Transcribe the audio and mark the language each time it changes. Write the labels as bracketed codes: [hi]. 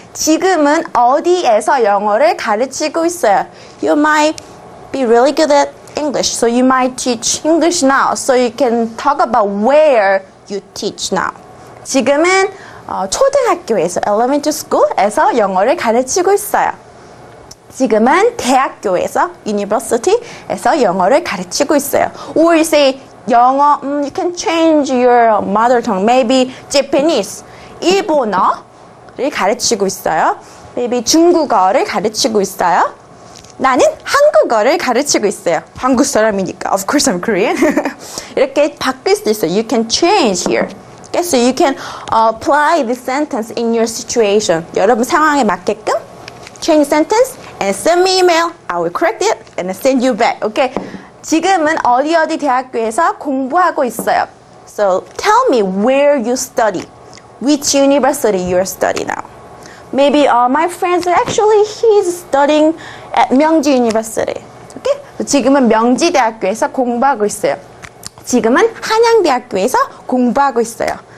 [ko] 지금은 어디에서 영어를 가르치고 있어요? [en] You might be really good at English. So you might teach English now. So you can talk about where you teach now. [ko] 지금은 초등학교에서 [en] elementary school [ko] 에서 영어를 가르치고 있어요. 지금은 대학교에서 university에서 영어를 가르치고 있어요. [en] Or you say 영어, you can change your mother tongue. Maybe Japanese. [ko] 일본어를 가르치고 있어요. [en] Maybe [ko] 중국어를 가르치고 있어요. 나는 한국어를 가르치고 있어요. 한국 사람이니까. [en] Of course I'm Korean. [ko] 이렇게 바뀔 수도 있어요. [en] You can change here. Okay, so you can apply the sentence in your situation. [ko] 여러분 상황에 맞게끔 [en] change sentence and send me email. I will correct it and send you back. Okay. [ko] 지금은 어디 어디 대학교에서 공부하고 있어요. [en] So tell me where you study. Which university you are studying now. Maybe my friends are actually he's studying at 명지 University. Okay? [ko] So 지금은 명지 대학교에서 공부하고 있어요. 지금은 한양대학교에서 공부하고 있어요.